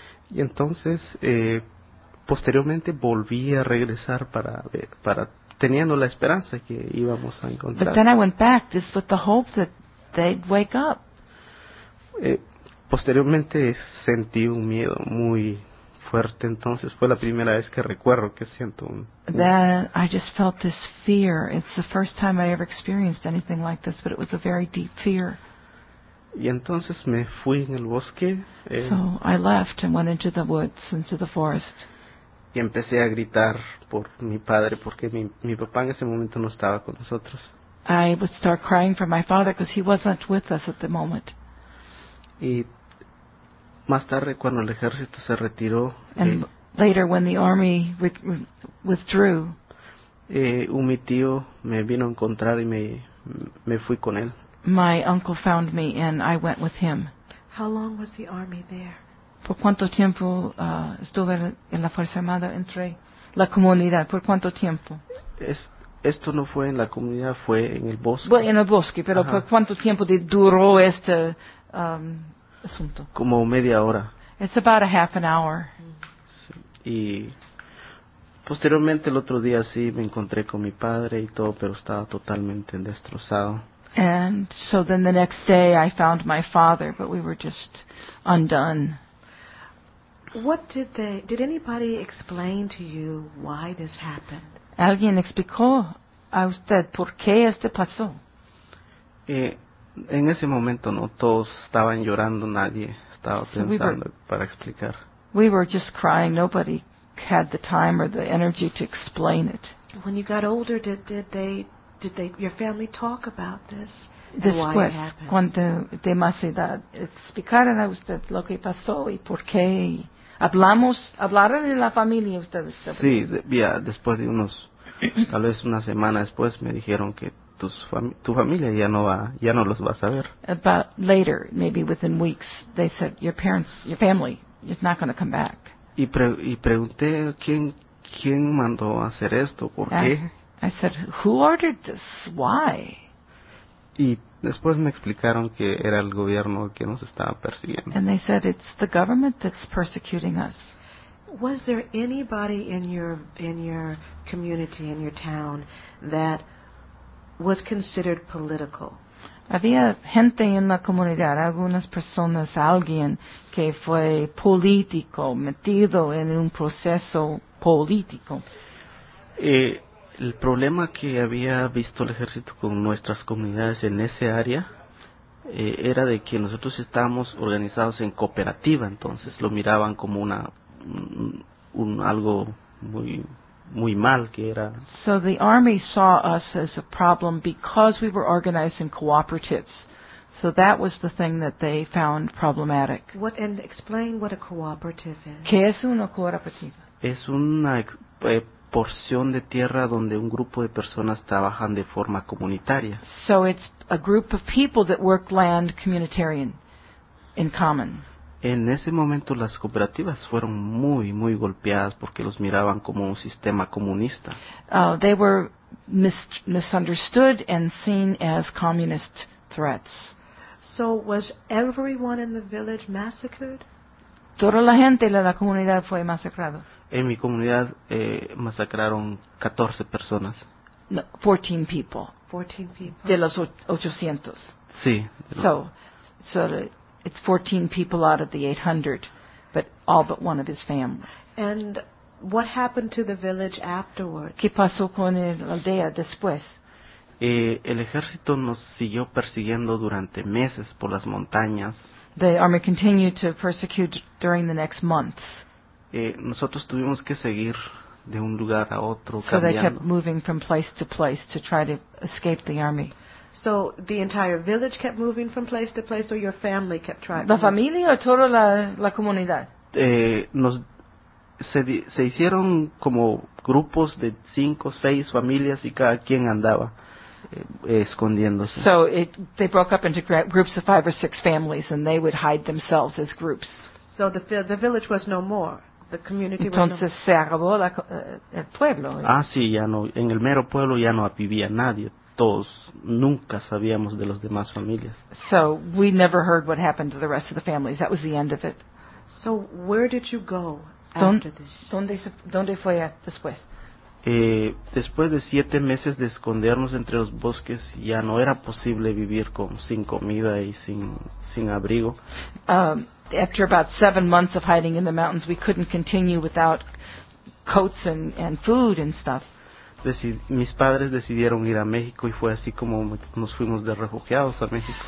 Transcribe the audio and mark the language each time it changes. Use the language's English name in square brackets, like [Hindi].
[Spanish] Y entonces, posteriormente volví a regresar para ver, para teniendo la esperanza que íbamos a encontrar. [English] But then I went back just with the hope that they'd wake up. [Spanish] Posteriormente sentí un miedo muy fuerte, entonces fue la primera vez que recuerdo que siento un. [English] Then I just felt this fear. It's the first time I ever experienced anything like this, but it was a very deep fear. [Spanish] Y entonces me fui en el bosque. [English] So I left and went into the woods, into the forest. [Spanish] Y empecé a gritar por mi padre porque mi papá en ese momento no estaba con nosotros. [English] I would start crying for my father because he wasn't with us at the moment. [Spanish] Y más tarde, cuando el ejército se retiró, [English] and later when the army withdrew, [Spanish] mi tío me vino a encontrar y me fui con él. [English] My uncle found me and I went with him. How long was the army there? [Spanish] ¿Por cuánto tiempo estuve en la Fuerza Armada entre la comunidad? ¿Por cuánto tiempo? Esto no fue en la comunidad, fue en el bosque. Bueno, en el bosque, pero ajá. ¿Por cuánto tiempo duró este asunto? Como media hora. [English] It's about a half an hour. [Spanish] Sí. Y posteriormente el otro día sí me encontré con mi padre y todo, pero estaba totalmente destrozado. [English] And so then the next day I found my father, but we were just undone. What did anybody explain to you why this happened? [Spanish] ¿Alguien explicó a usted por qué esto pasó? En ese momento no, todos estaban llorando, nadie estaba pensando para explicar. [English] We were just crying, nobody had the time or the energy to explain it. When you got older, did your family talk about this? [Spanish] Después, cuando de más edad, explicaron a usted lo que pasó y por qué. ¿Hablaron en la familia ustedes? Sí, después de unos, tal vez una semana después, me dijeron que tu familia ya no los va a saber. [English] About later, maybe within weeks, they said, your parents, your family is not going to come back. [Spanish] Y pregunté, ¿quién mandó hacer esto? ¿Por qué? [English] I said, who ordered this? Why? [Spanish] Y después me explicaron que era el gobierno que nos estaba persiguiendo. [English] And they said, it's the government that's persecuting us. Was there anybody in your community, in your town, that was considered political? [Spanish] Había gente en la comunidad, algunas personas, alguien que fue político, metido en un proceso político. El problema que había visto el ejército con nuestras comunidades en ese área era de que nosotros estábamos organizados en cooperativa, entonces lo miraban como un algo muy muy mal que era. [English] So the army saw us as a problem because we were organized in cooperatives. So that was the thing that they found problematic. What, and explain what a cooperative is. [Spanish] ¿Qué es una cooperativa? Es una porción de tierra donde un grupo de personas trabajan de forma comunitaria. [English] So it's a group of people that work land communitarian in common. [Spanish] En ese momento las cooperativas fueron muy, muy golpeadas porque los miraban como un sistema comunista. [English] They were misunderstood and seen as communist threats. So was everyone in the village massacred? [Spanish] Toda la gente de la comunidad fue masacrada. En mi comunidad masacraron 14 personas. [English] No, 14 people. 14 people. [Spanish] De los 800. Sí. [English] So it's 14 people out of the 800, but all but one of his family. And what happened to the village afterwards? [Spanish] ¿Qué pasó con la aldea después? El ejército nos siguió persiguiendo durante meses por las montañas. [English] The army continued to persecute during the next months. [Spanish] Nosotros tuvimos que seguir de un lugar a otro, cambiando. [English] So they kept moving from place to place to try to escape the army. So the entire village kept moving from place to place, or your family kept trying? [Spanish] La familia o toda la comunidad. Se hicieron como grupos de 5 o 6 familias y cada quien andaba escondiéndose. [English] So they broke up into groups of 5 or 6 families, and they would hide themselves as groups. So the village was no more. The community. [Spanish] Entonces [English] was no [Spanish] se acabó el pueblo. Ah, sí, ya no. En el mero pueblo ya no vivía nadie. Todos nunca sabíamos de las demás familias. [English] So we never heard what happened to the rest of the families. That was the end of it. So where did you go after this? [Spanish] ¿Dónde fue después? Después de 7 meses de escondernos entre los bosques, ya no era posible vivir sin comida y sin abrigo. [English] After about 7 months of hiding in the mountains, we couldn't continue without coats and food and stuff. [Spanish] Mis padres decidieron ir a México y fue así como nos fuimos de refugiados a México.